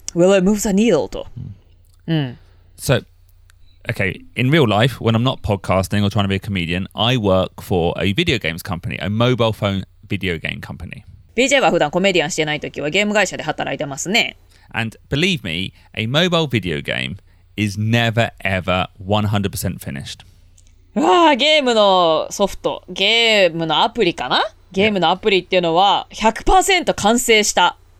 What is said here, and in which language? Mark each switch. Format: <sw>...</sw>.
<en>Will it move the needle? と。 So, okay, in real life, when I'm not podcasting or trying to be a comedian, I work for a video games company, a mobile phone video game company.</en> <ja>BJ は普段コメディアンしてないときはゲーム会社で働いてますね。</ja> <en>And believe me, a mobile video game is never ever 100% finished.</en> <ja>わあ、ゲームのソフト、ゲームのアプリかな？ゲームのアプリっていうのは 100% 完成した。</ja>